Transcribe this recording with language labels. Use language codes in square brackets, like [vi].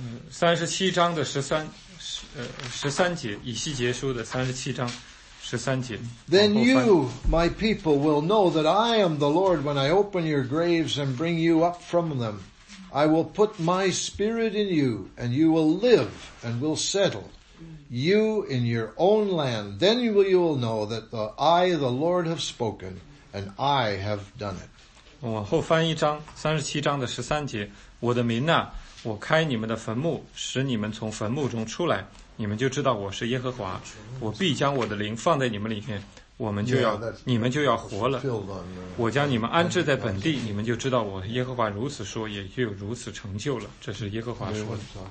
[zh] 37章的13节，以西结书的37章13节。 [en] Then you, my people, will know that I am the Lord when I open your graves and bring you up from them. I will put my spirit in you, and you will live and will settle you in your own land. Then you will know that I, the Lord, have spoken, and I have done it. [zh] 我往后翻一章，37章的13节，我的民啊，我开你们的坟墓，使你们从坟墓中出来，你们就知道我是耶和华，我必将我的灵放在你们里面，我们就要，你们就要活了，我将你们安置在本地，你们就知道我耶和华如此说，也就如此成就了，这是耶和华说的。